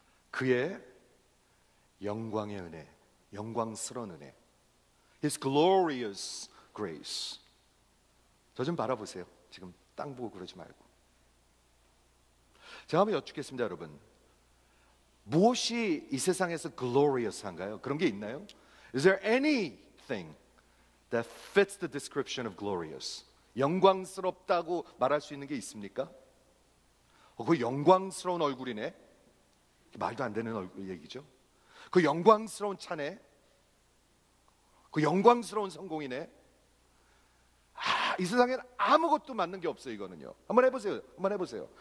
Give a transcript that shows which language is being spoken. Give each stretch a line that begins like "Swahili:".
Korean: 그의 영광의 은혜, 영광스러운 은혜.
English: His glorious grace.
Korean: 저 좀 바라보세요. 지금 땅 보고 그러지 말고. 제가 한번 여쭙겠습니다, 여러분. 무엇이 이 세상에서 glorious한가요? 그런 게 있나요?
English: Is there anything that fits the description of glorious?
Korean: 영광스럽다고 말할 수 있는 게 있습니까? 그 영광스러운 얼굴이네. 말도 안 되는 얼굴 얘기죠. 그 영광스러운 차네. 그 영광스러운 성공이네. 이 세상에는 아무것도 맞는 게 없어요, 이거는요. 한번 해보세요. 한번 해보세요.